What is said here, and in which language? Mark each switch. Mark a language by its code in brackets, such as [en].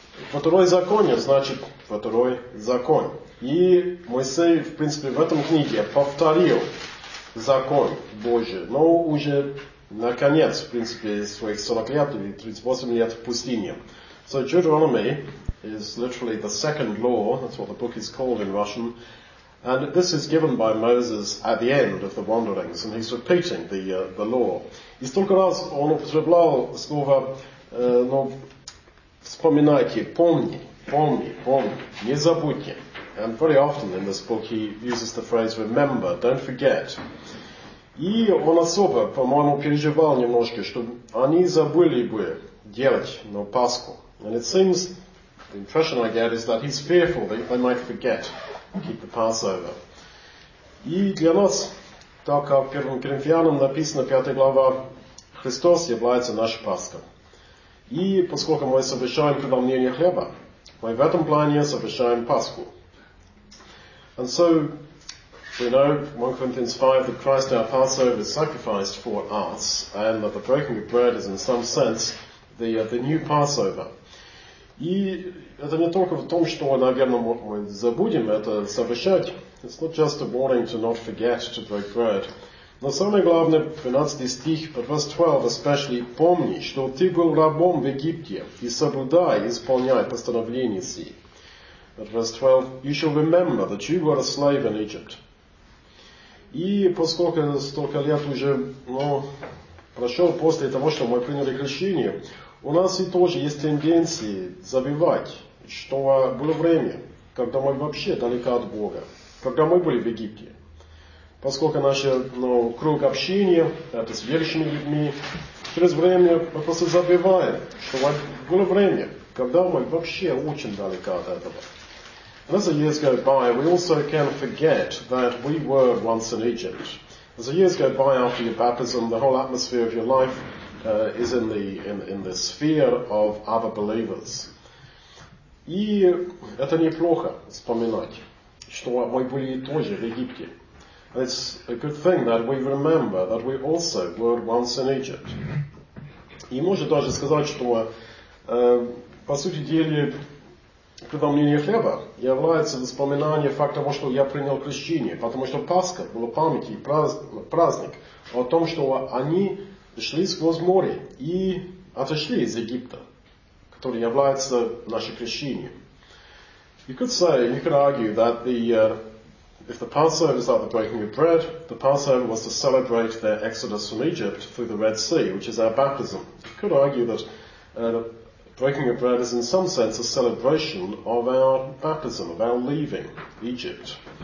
[ru] Второзаконие, значит, второй закон. И Моисей, в принципе, в этом книге повторил закон Божий, но уже наконец, в принципе, из своих 40 лет или 38 лет в пустыне. [en] So Deuteronomy is literally the second law, that's what the book is called in Russian. And this is given by Moses at the end of the wanderings, and he's repeating the law. [ru] И столько раз он употреблял слово, ну, вспоминайте, помни, помни, помни, не забудьте. [en] And very often in this book he uses the phrase remember, don't forget. [ru] И он особо, по-моему, переживал немножко, что они забыли бы делать, ну, Пасху. [en] And it seems, the impression I get is that he's fearful that they might forget. Keep the Passover. [ru] И для нас, так как в 1 Коринфянам написано 5 глава, Христос является нашей Пасхой. И поскольку мы совершаем преломление хлеба, мы в этом плане совершаем Пасху. [en] And so, we know, 1 Corinthians 5, that Christ our Passover is sacrificed for us, and that the breaking of bread is in some sense the new Passover. [ru] И это не только в том, что, наверное, мы забудем это совершать. [en] It's not just a warning to not forget to break bread. [ru] Но самое главное, 12 стих, [en] but verse 12 especially, [ru] помни, что ты был рабом в Египте, и соблюдай, исполняй постановления си. [en] But verse 12, you shall remember that you were a slave in Egypt. [ru] И поскольку столько лет уже, ну, прошел после того, что мы приняли крещение, у нас и тоже есть тенденции забивать, что было время, когда мы вообще далеко от Бога, когда мы были в Египте. Поскольку наш, ну, круг общения, это с верующими людьми, через время мы просто забиваем, что было время, когда мы вообще очень далеко от этого. [en] And as the years go by, we also can forget that we were once in Egypt. As the years go by after your baptism, the whole atmosphere of your life is in the sphere of other believers. [ru] И это неплохо вспоминать, что мы были тоже в Египте. [en] And it's a good thing that we remember that we also were once in Egypt. [ru] И можно даже сказать, что по сути дела преломление хлеба является воспоминанием факта того, что я принял крещение, потому что Пасха была память и праздник о том, что они шли сквозь море и отошли из Египта, который является нашим крещением. [en] You could say, you could argue that if the Passover is like the breaking of bread, the Passover was to celebrate their exodus from Egypt through the Red Sea, which is our baptism. You could argue that breaking of bread is in some sense a celebration of our baptism, of our leaving Egypt.